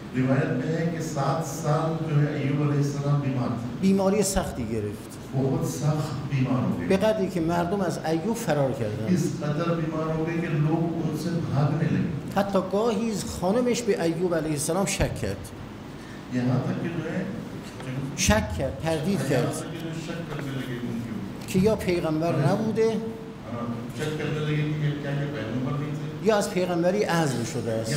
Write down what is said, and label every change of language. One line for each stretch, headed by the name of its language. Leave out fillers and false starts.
Persian: روایت میگه که 7 سال ایوب علیه السلام بیمار شد بیماری سختی گرفت
Urdu: بہت سخت بیمار ہو گئے
Persian: به قدری که مردم از ایوب فرار کردن
Urdu: اس قدر بیمار ہو گئے کہ لوگ اس سے بھاگنے لگے
Persian: حتی گاهی خانمش به ایوب علیه السلام شک کرد
Urdu: یہاں تک
Persian: شک کرد تردید کرد که یا پیغمبر نبوده
Urdu: شک کرنے لگے کہ پیغمبر نہیں تھے
Persian: یا از پیغمبری عزل شده است